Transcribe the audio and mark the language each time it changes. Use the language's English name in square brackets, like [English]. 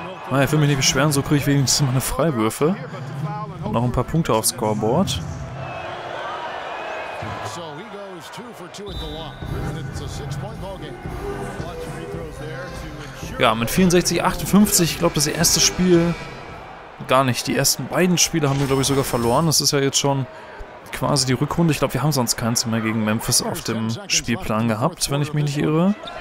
[German] Ich will mich nicht beschweren, so kriege ich wenigstens meine Freiwürfe. Und noch ein paar Punkte aufs Scoreboard. [English] So he goes 2 for 2 at the line. It's a 6-point ball game. Watch free throws there to. [German] Ja, mit 64-58, ich glaube das erste Spiel gar nicht. Die ersten beiden Spiele haben wir glaube ich sogar verloren. Das ist ja jetzt schon quasi die Rückrunde. Ich glaube, wir haben sonst keins mehr gegen Memphis auf dem Spielplan gehabt, wenn ich mich nicht irre.